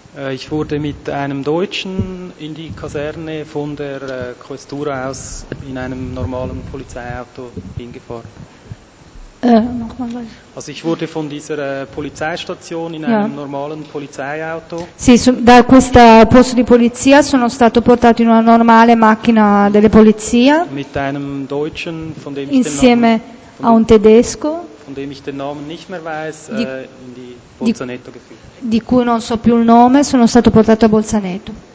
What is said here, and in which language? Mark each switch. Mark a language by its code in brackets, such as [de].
[de] Ich wurde mit einem Deutschen in die Kaserne von der Questura aus in einem normalen Polizeiauto hingefahren. Nochmal. Also ich wurde von dieser Polizeistation in einem normalen Polizeiauto. [it] Sì, da questo posto di polizia sono stato portato in una normale macchina delle polizia. [de] Mit einem Deutschen, von dem [it] insieme [de] ich den Namen, [it] a un tedesco. [de] Von dem ich den Namen nicht mehr weiß, in die Bolzaneto geführt. [it] Di cui non so più il nome, sono stato portato a Bolzaneto.